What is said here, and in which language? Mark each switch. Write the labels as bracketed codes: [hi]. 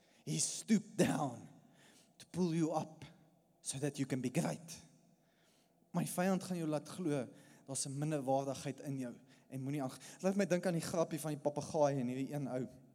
[en] He stooped down to pull you up so that you can be great. [af] My vyand gaan jou laat glo, daar's 'n minderwaardigheid in jou. En moenie ag, laat my dink aan die grappie van die papegaai en hierdie een ou.